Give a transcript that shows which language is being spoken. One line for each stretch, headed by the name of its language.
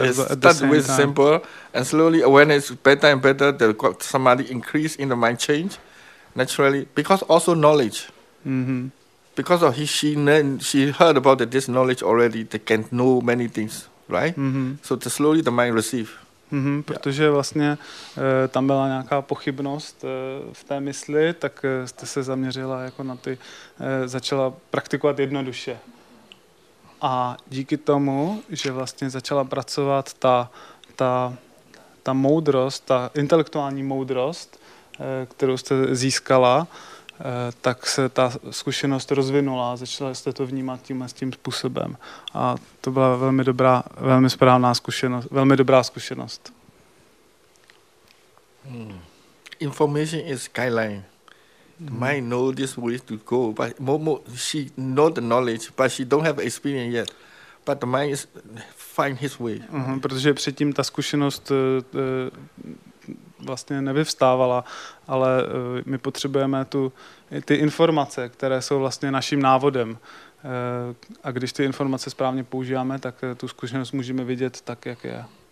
English: Yes, start with simple, and slowly awareness better and better, the samadhi increase in the mind change, naturally, because also knowledge. Because of she heard about this knowledge already, they can know many things, right? So slowly the mind receive.
Czech: Protože vlastně tam byla nějaká pochybnost v té mysli, tak jste se zaměřila jako na ty, začala praktikovat jednoduše. A díky tomu, že vlastně začala pracovat ta moudrost, ta intelektuální moudrost, kterou jste získala, tak se ta zkušenost rozvinula a začala jste to vnímat tím způsobem. A to byla velmi dobrá, velmi správná zkušenost, velmi dobrá zkušenost.
English: Information is guideline. Mind know this way to go, but she know the knowledge, but she don't have experience yet. But the mind is find his way.
Czech: Protože předtím ta zkušenost vlastně nevyvstávala, ale my potřebujeme ty informace, které jsou vlastně naším návodem. A když ty informace správně používáme, tak tu zkušenost můžeme vidět tak, jak je.